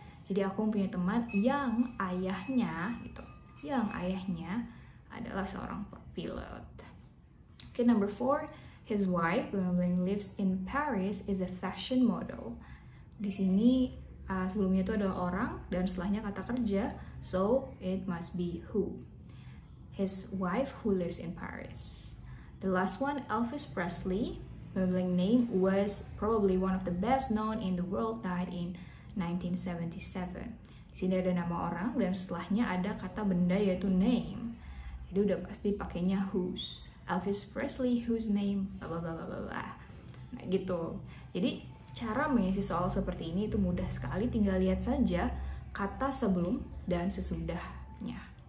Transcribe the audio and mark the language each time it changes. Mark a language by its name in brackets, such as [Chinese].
[Indonesian] Jadi, aku punya teman yang ayahnya gitu. Yang ayahnya adalah seorang pilot. [English] Okay, number 4. His wife, Blumbling, lives in Paris, is a fashion model. [Indonesian] Di sini, sebelumnya itu adalah orang, dan setelahnya kata kerja, [English] so it must be who. His wife who lives in Paris. The last one, Elvis Presley, Blumbling name, was probably one of the best known in the world, died in 1977. [Indonesian] Di sini ada nama orang, dan setelahnya ada kata benda yaitu name. Jadi udah pasti pakainya whose. [English] Elvis Presley, whose name, blah, blah, blah, blah, blah. [Indonesian] Nah, gitu. Jadi, cara mengisi soal seperti ini itu mudah sekali. Tinggal lihat saja kata sebelum dan sesudahnya.